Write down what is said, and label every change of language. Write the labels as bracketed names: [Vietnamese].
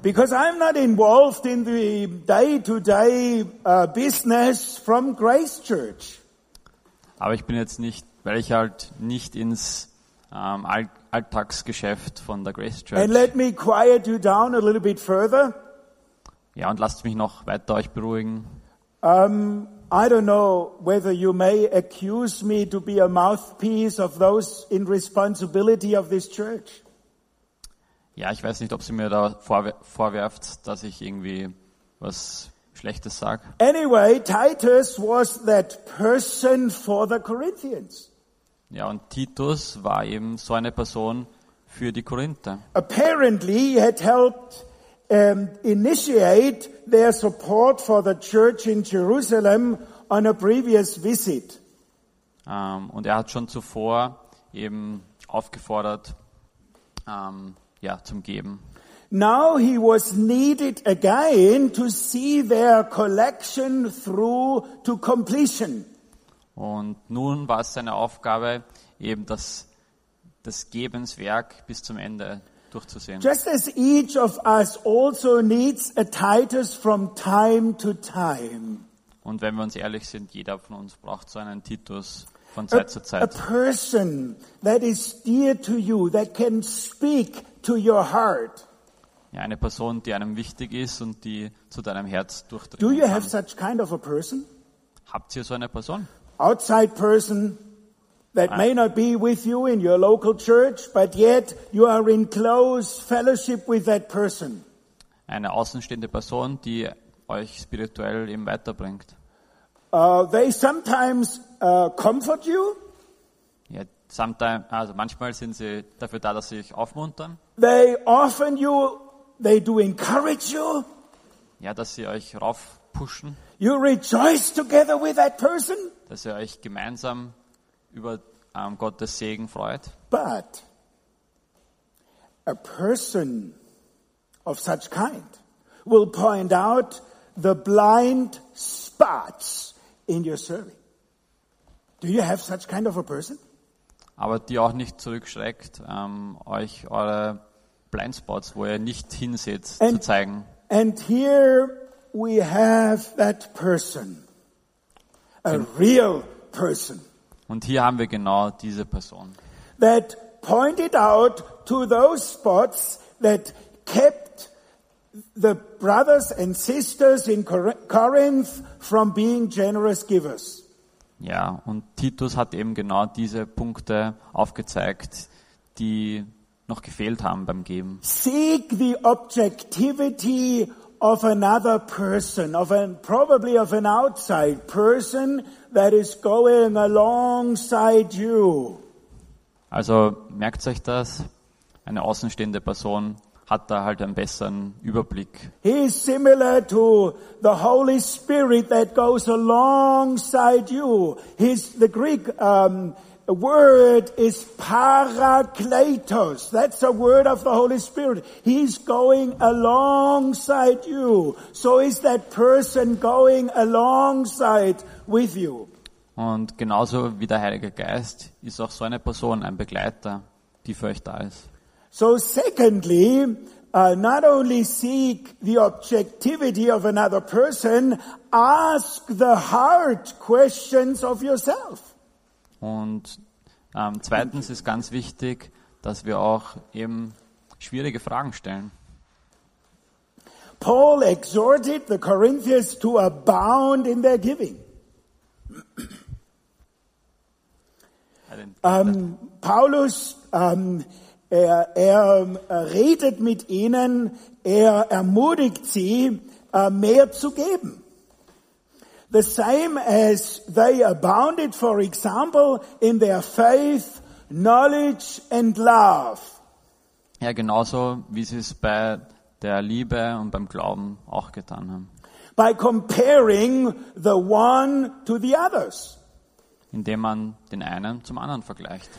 [English] Because I'm not involved in the day-to-day business from Grace Church. [German] Aber ich bin jetzt nicht, weil ich halt nicht ins Alltagsgeschäft von der Grace Church. [English] And let me quiet you down a little bit further. [German] Ja, und lasst mich noch weiter euch beruhigen. [English] I don't know whether you may accuse me to be a mouthpiece of those in responsibility of this church. [German] Ja, ich weiß nicht, ob sie mir da vorwerft, dass ich irgendwie was Schlechtes sag. [English] Anyway, Titus was that person for the Corinthians. [German] Ja, und Titus war eben so eine Person für die Korinther. [English] Apparently he had helped initiate their support for the church in Jerusalem on a previous visit. [German] Und er hat schon zuvor eben aufgefordert, zum Geben. [English] Now he was needed again to see their collection through to completion. [German] Und nun war es seine Aufgabe, eben das Gebenswerk bis zum Ende durchzusehen. [English] Just as each of us also needs a Titus from time to time. [German] Und wenn wir uns ehrlich sind, jeder von uns braucht so einen Titus von Zeit zu Zeit. [English] A person that is dear to you, that can speak to your heart. [German] Ja, eine Person, die einem wichtig ist und die zu deinem Herz durchdringt. [English] Do you have such kind of a person? [German] Habt ihr so eine Person? [English] Outside person. That may not be with you in your local church, but yet you are in close fellowship with that person. [German] Eine außenstehende Person, die euch spirituell eben weiterbringt. [English] They sometimes comfort you. [German] Ja, manchmal sind sie dafür da, dass sie sich aufmuntern. [English] They offer you, they do encourage you. [German] Ja, dass sie euch raufpushen. [English] You rejoice together with that person. [German] Dass ihr euch gemeinsam über Gottes Segen freut. [English] But a person of such kind will point out the blind spots in your serving. Do you have such kind of a person? [German] Aber die auch nicht zurückschreckt, euch eure Blindspots, wo ihr nicht hinseht, zu zeigen. [English] And here we have that person, a real person. [German] Und hier haben wir genau diese Person. [English] That pointed out to those spots that kept the brothers and sisters in Corinth from being generous givers. [German] Ja, und Titus hat eben genau diese Punkte aufgezeigt, die noch gefehlt haben beim Geben. [English] Seek the objectivity of another person, probably of an outside person that is going alongside you. [German] Also merkt euch das, eine außenstehende Person hat da halt einen besseren Überblick. [English] He is similar to the Holy Spirit that goes alongside you. His the Greek word is parakletos. That's a word of the Holy Spirit. He's going alongside you. So is that person going alongside with you. [German] Und genauso wie der Heilige Geist ist auch so eine Person ein Begleiter, die für euch da ist. [English] So secondly, not only seek the objectivity of another person, ask the hard questions of yourself. [German] Und zweitens ist ganz wichtig, dass wir auch eben schwierige Fragen stellen. [English] Paul exhorted the Corinthians to abound in their giving. [German] Paulus redet mit ihnen, er ermutigt sie, mehr zu geben. [English] The same as they abounded, for example, in their faith, knowledge and love. [German] Ja, genauso wie sie es bei der Liebe und beim Glauben auch getan haben. [English] By comparing the one to the others. [German] Indem man den einen zum anderen vergleicht.